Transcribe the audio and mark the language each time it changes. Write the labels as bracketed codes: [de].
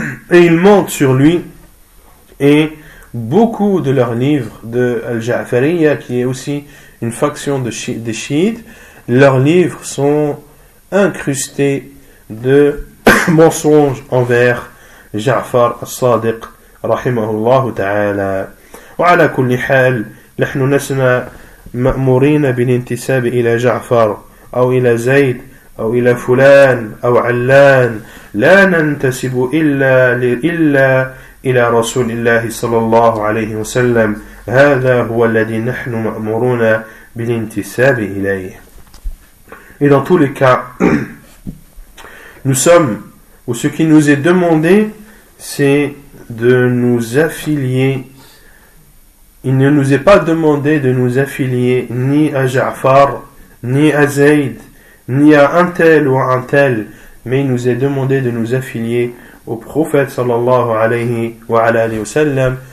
[fr] Et ils mentent sur lui. Et beaucoup de leurs livres, de Al-Ja'fariya, qui est aussi une faction des chiites, leurs livres sont incrustés de mensonges envers Ja'far al-Sadiq, rahimahullah ta'ala. [ar] وعلى كل حال نحن لسنا مأمورين بالانتساب إلى جعفر أو إلى زيد أو إلى فلان أو علان لا ننتسب إلا إلى رسول الله صلى الله عليه وسلم هذا هو الذي نحن مأمورون بالانتساب إليه. [fr] Et dans tous les cas, nous sommes, ou ce qui nous est demandé, c'est de nous affilier. Il ne nous est pas demandé de nous affilier ni à Ja'far, ni à Zayd, ni à un tel ou à un tel, mais il nous est demandé de nous affilier au prophète sallallahu alayhi wa alayhi wa sallam.